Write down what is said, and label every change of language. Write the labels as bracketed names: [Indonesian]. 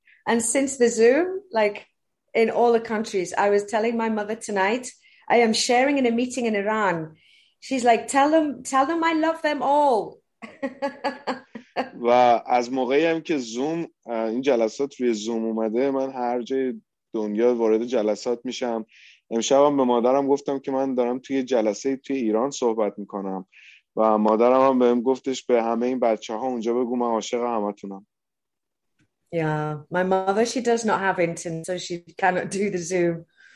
[English] and since the Zoom, like in all the countries, I was telling my mother tonight, I am sharing in a meeting in Iran. She's like, tell them I love them all. [Persian] و از موقعی هم که زوم این جلسات روی زوم اومده، من هر جای دنیا وارد جلسات میشم. امشب هم به مادرم گفتم که من دارم توی جلسه توی ایران صحبت میکنم و مادرم هم بهم گفتش به همه این بچه ها اونجا بگو من عاشق همتونم. [English] Yeah, my mother, she does not have internet, so she cannot do the Zoom.